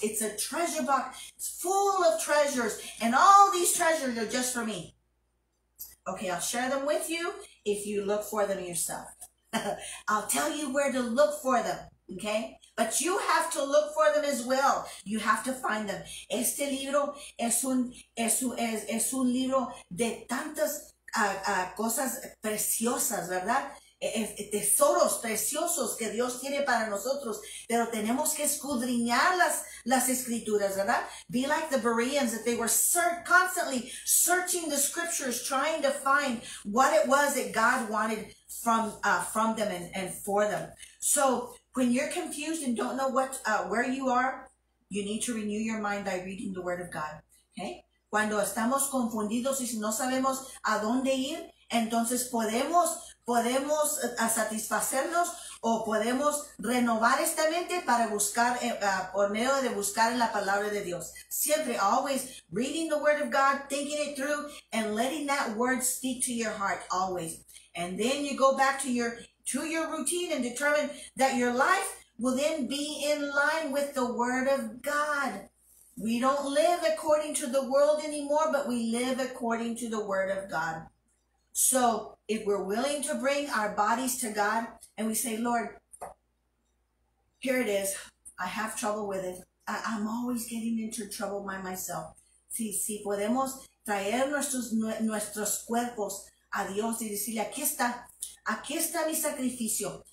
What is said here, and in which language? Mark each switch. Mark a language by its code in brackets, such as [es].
[en] It's a treasure box. It's full of treasures. And all these treasures are just for me. Okay, I'll share them with you if you look for them yourself. I'll tell you where to look for them. Okay, but you have to look for them as well. You have to find them. [es] Este libro es un libro de tantas cosas preciosas, ¿verdad? Tesoros preciosos que Dios tiene para nosotros, pero tenemos que escudriñar las escrituras, ¿verdad? [en] Be like the Bereans, that they were constantly searching the scriptures, trying to find what it was that God wanted from them and for them. So when you're confused and don't know what where you are, you need to renew your mind by reading the Word of God. Okay? [es] Cuando estamos confundidos y no sabemos a dónde ir, entonces podemos satisfacernos o podemos renovar esta mente para buscar por medio de buscar en la palabra de Dios. Siempre, [en] always reading the Word of God, thinking it through, and letting that Word speak to your heart, always. And then you go back to your routine and determine that your life will then be in line with the Word of God. We don't live according to the world anymore, but we live according to the Word of God. So if we're willing to bring our bodies to God and we say, Lord, here it is. I have trouble with it. I'm always getting into trouble by myself. [es] Si podemos traer nuestros cuerpos a Dios y decirle, aquí está mi sacrificio.